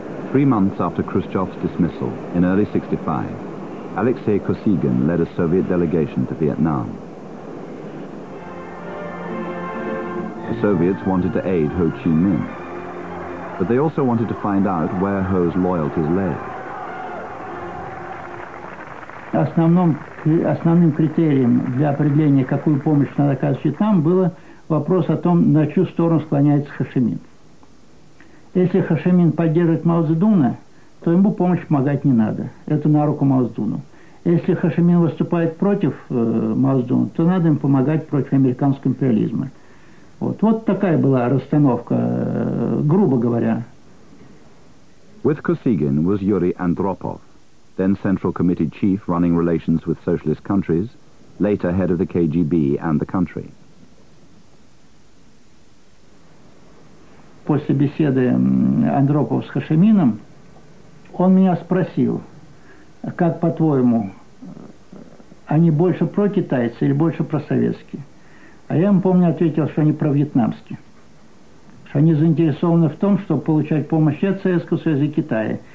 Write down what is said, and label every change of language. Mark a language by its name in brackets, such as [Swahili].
[English] 3 months after Khrushchev's dismissal, in early 65, Alexei Kosygin led a Soviet delegation to Vietnam. The Soviets wanted to aid Ho Chi Minh, but they also wanted to find out where Ho's loyalties lay. [Russian] В основном основным критерием для определения, какую помощь надо оказывать Вьетнам, был вопрос о том, на чью сторону склоняется Хо Ши Мин. Если Хо Ши Мин поддерживает Мао Цзэдуна, то ему помощь помогать не надо. Это на руку Мао Цзэдуну. Если Хо Ши Мин выступает против Мао Цзэдуна, то надо им помогать против американского империализма. Вот, вот такая была расстановка, грубо говоря. [English] With Kosygin was Yuri Andropov, then Central Committee chief running relations with socialist countries, later head of the KGB and the country. [Russian] После беседы Андропова с Хо Ши Мином, он меня спросил, как, по-твоему, они больше про китайцы или больше про советские? А я ему, помню, ответил, что они про вьетнамские. Они заинтересованы в том, чтобы получать помощь от Советского Союза и Китая.